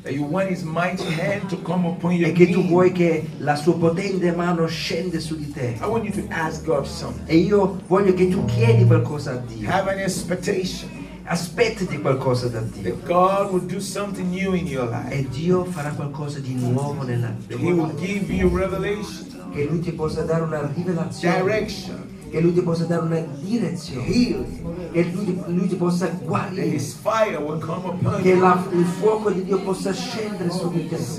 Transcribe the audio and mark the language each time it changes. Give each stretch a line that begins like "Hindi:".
English: That you want His mighty hand to come upon your
Italian: e che tu vuoi che la sua potente mano scende su di te.
English: I want you to ask God something.
Italian: E io voglio che tu chiedi qualcosa a Dio.
English: Have an expectation.
Italian: Aspettati qualcosa da Dio.
English: That God will do something new in your life.
Italian: E Dio farà qualcosa di nuovo nella tua vita.
English: He will give you revelation.
Italian: Che Lui ti possa dare una rivelazione.
English: Direction.
Italian: Che Lui ti possa dare una direzione.
English: Healing.
Italian: Che Lui ti possa guarire.
English: His fire will come upon
Italian: che la, il fuoco di Dio possa scendere su di te.